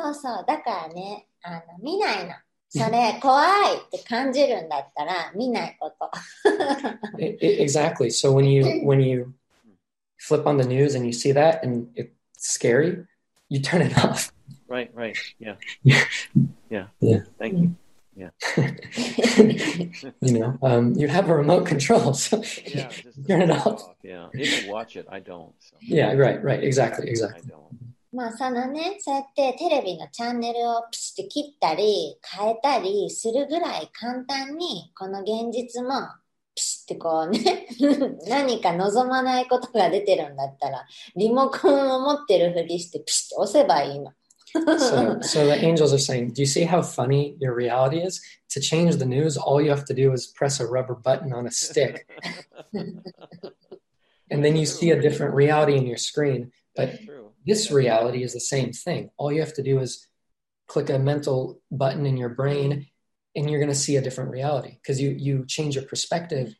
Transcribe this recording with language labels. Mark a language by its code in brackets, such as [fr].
[ja] そうそう、だからね、見ないの。それ怖いって感じるんだったら見ないこと。 [en] Exactly. So when you flip on the news and you see that and it's scary, you turn it off. Right. Yeah. Thank you. Yeah. You know, you have a remote control, so yeah, turn it off. Yeah, if you watch it, I don't.、 So. Yeah, right, exactly. [ja] まあ、そのね、そうやってテレビのチャンネルをプシッと切ったり、変えたりするぐらい簡単に、この現実もプシッとこうね、何か望まないことが出てるんだったら、リモコンを持ってるふりしてプシッと押せばいいの。 [en] So the angels are saying, do you see how funny your reality is? To change the news, all you have to do is press a rubber button on a stick. And then you see a different reality in your screen. But this reality is the same thing. All you have to do is click a mental button in your brain, and you're going to see a different reality because you change your perspective.